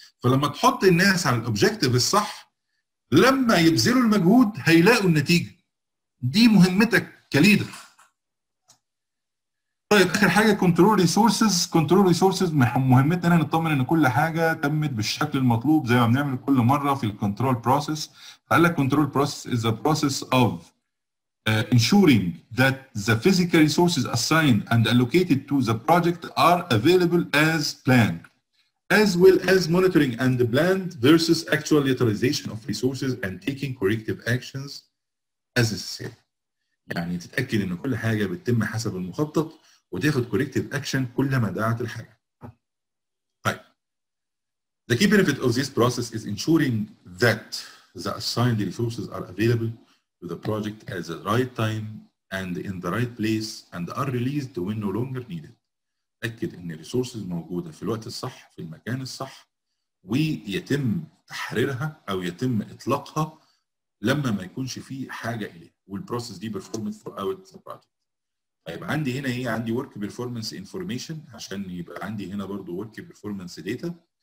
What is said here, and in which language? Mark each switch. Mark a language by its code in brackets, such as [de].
[ar] فلما تحط الناس على الأوبجكتيف الصح لما يبذلوا المجهود هيلاقوا النتيجة. دي مهمتك كليدر. طيب آخر حاجة control resources. control resources مهمتنا نطمن ان كل حاجة تمت بالشكل المطلوب زي ما بنعمل كل مرة في الكنترول process. [en] فقالك control process is a process of ensuring that the physical resources assigned and allocated to the project are available as planned, as well as monitoring and the planned versus actual utilization of resources and taking corrective actions as necessary. [ar] يعني تتأكد ان كل حاجة بتتم حسب المخطط وتاخد corrective action كل ما دعت الحاجة. طيب. [en] The key benefit of this process is ensuring that the assigned resources are available the project at the right time and in the right place and are released when no longer needed. [ar] أكد أن resources موجودة في الوقت الصح في المكان الصح ويتم تحريرها أو يتم إطلاقها لما ما يكونش فيه حاجة إليه. والprocess دي [en] performed throughout the project. [ar] طيب عندي هنا إيه؟ عندي [en] work performance information [ar] عشان يبقى عندي هنا برضو [en] work performance data.